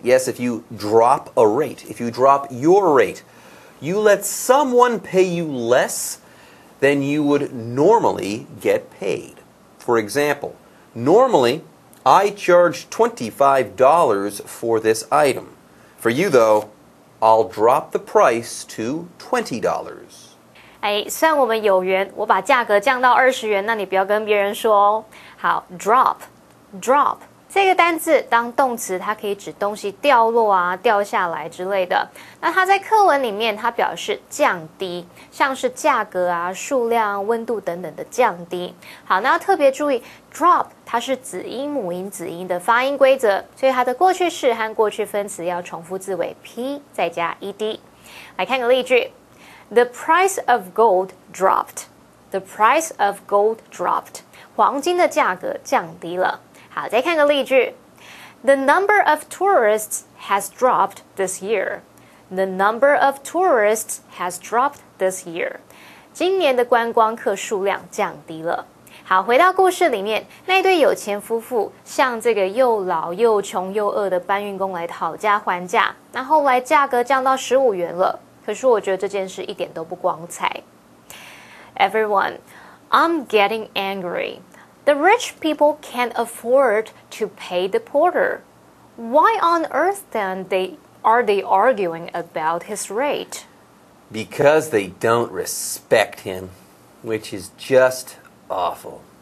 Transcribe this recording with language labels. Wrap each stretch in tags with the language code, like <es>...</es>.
<en>Yes, if you drop a rate, if you drop your rate, you let someone pay you less than you would normally get paid. For example, normally I charge $25 for this item. For you though, I'll drop the price to $20.</en> <zh>哎，算我们有缘，我把价格降到20元，那你不要跟别人说哦。好 ，drop, drop 这个单字当动词，它可以指东西掉落啊、掉下来之类的。那它在课文里面，它表示降低，像是价格啊、数量、温度等等的降低。好，那要特别注意 ，drop 它是子音母音子音的发音规则，所以它的过去式和过去分词要重复字尾 p 再加 ed。来看个例句。</zh> <en>The price of gold dropped. The price of gold dropped.</en> <zh>黄金的价格降低了。好，再看个例句。</zh> <en>The number of tourists has dropped this year. The number of tourists has dropped this year.</en> <zh>今年的观光客数量降低了。好，回到故事里面，那对有钱夫妇向这个又老又穷又饿的搬运工来讨价还价，那后来价格降到15元了。可是我觉得这件事一点都不光彩。</zh> <en>Everyone, I'm getting angry. The rich people can't afford to pay the porter. Why on earth then are they arguing about his rate? Because they don't respect him, which is just awful.</en>